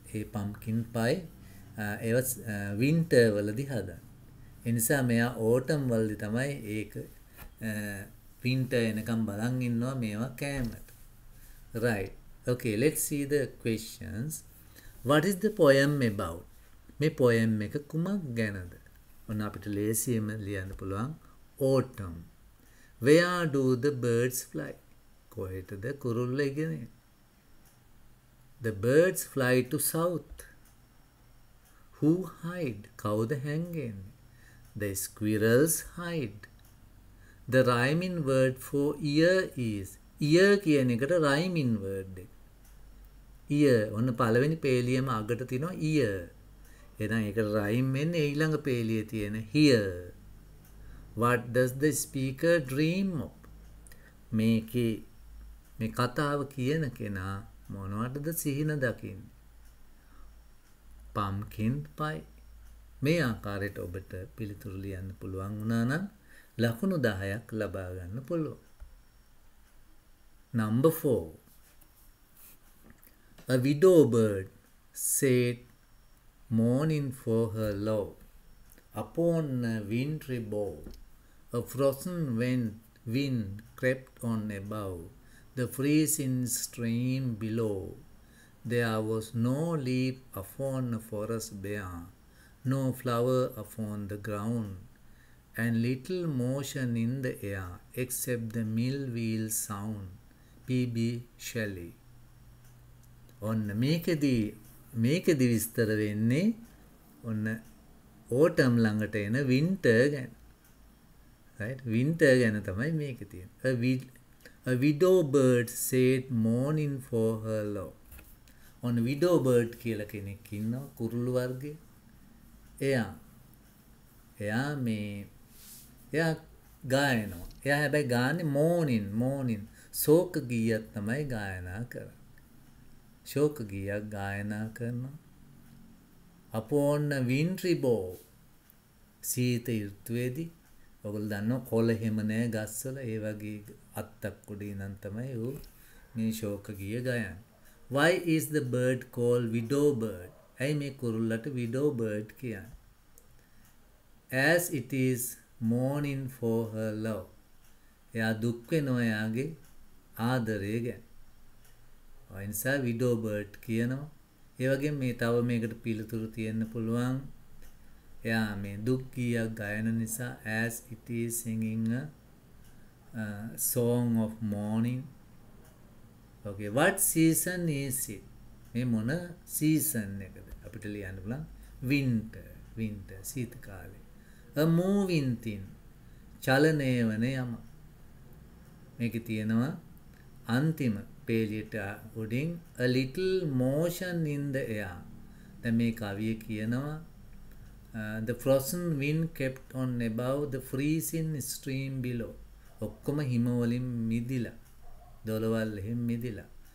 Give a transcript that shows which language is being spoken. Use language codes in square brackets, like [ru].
[si] ඒ pumpkin pie ඒ වස් winter වලදී හදන. ඒ නිසා මෙයා autumn වලදී තමයි ඒක winter එනකම් බලන් ඉන්නවා මේවා කෑමට. [en] Right. Okay, let's see the questions. What is the poem about? [si] මේ poem එක කුමක් ගැනද? ඔන්න අපිට ලේසියෙන් ලියන්න පුළුවන් autumn. [en] Where do the birds fly? [si] කොහෙටද කුරුල්ලෝ ඉගෙනේ? [en] The birds fly to south. Who hide? Cow the hanging. The squirrels hide. The rhyming word for ear is. Ear [si] කියන එකට [en] rhyming word. Ear. [si] ඔන්න පළවෙනි පේළියම අගට තියෙනවා ear. එහෙනම් ඒකට rhyme වෙන්නේ ඊළඟ පේළියේ තියෙන hear. [en] What does the speaker dream of? [si] මේකේ මේ කතාව කියන කෙනා මොනවටද සිහින දකින්නේ? Pumpkin pie. මේ ආකාරයට ඔබට පිළිතුරු ලියන්න පුළුවන් වුණා නම් ලකුණු 10ක් ලබා ගන්න පුළුවන්. [en] Number 4. A widow bird said mourning for her love upon a wintry bough. A frozen wind crept on above the freezing stream below. There was no leaf upon the forest bare, no flower upon the ground, and little motion in the air except the mill wheel sound. P.B. Shelley. [si] ඔන්න මේකෙදි විස්තර වෙන්නේ ඔන්න autumn ළඟට එන winter ගැන. Right? Winter ගැන තමයි මේක තියෙන්නේ. [en] A widow bird said mourning for her love. [si] ඔන්න widow bird කියලා කෙනෙක් ඉන්නවා කුරුළු වර්ගයේ. එයා ගායනවා. එයා හැබැයි ගායන්නේ morning. ශෝක ගීයක් තමයි ගායනා කරන්නේ. ශෝක ගීයක් ගායනා කරනවා. [en] Upon a wintry bough. [si] සීත ඍතුවේදී. ඔයගොල්ලෝ දන්නවා කොළ හැම නැහැ ගස්වල. ඒ වගේ අත්තක් උඩින් නම් තමයි ඌ මේ ශෝක ගීය ගායන්නේ. [en] Why is the bird called widow bird? [si] ඇයි මේ කුරුල්ලට widow bird කියන්නේ? [en] As it is mourning for her love. [si] එයා දුක් වෙනවා එයාගේ ආදරය ගැන. ඒ නිසා widow bird කියනවා. ඒ වගේම මේ තව මේකට පිළිතුරු තියෙන්න පුළුවන්. එයා මේ දුක් ගීයක් ගයන නිසා [en] as it is singing a song of mourning. Okay, what season is it? [si] මේ මොන season එකද? අපිට ලියන්න පුළුවන් winter, සීත කාලේ. [en] A moving thing. [si] චලනය වන යම. මේක තියෙනවා අන්තිම පේළියට උඩින් [en] a little motion in the air. [si] දැන් මේ කවිය කියනවා [en] the frozen wind kept on above the freezing stream below. [si] ඔක්කොම හිම වලින් මිදිලා දොළවල් එහෙම මිදිලා.